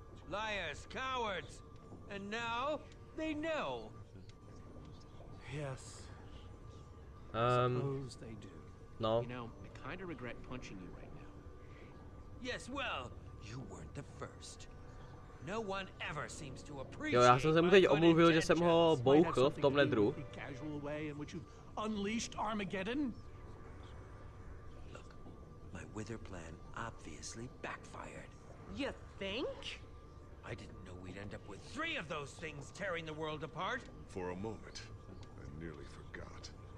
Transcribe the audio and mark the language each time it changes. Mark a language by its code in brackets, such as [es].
[en] Liars, cowards. And now, they know. Yes. Suppose they do. No. You know, I kind of regret punching you right now. Yes, well, you weren't the first. No one ever seems to appreciate. [cs] Jo, já jsem se mu teď omluvil, že jsem ho bouchl v tom ledru. [en] Casual way in which you've unleashed Armageddon. Look, my wither plan obviously backfired. You think? I didn't know we'd end up with three of those things tearing the world apart. For a moment. Nearly forgot.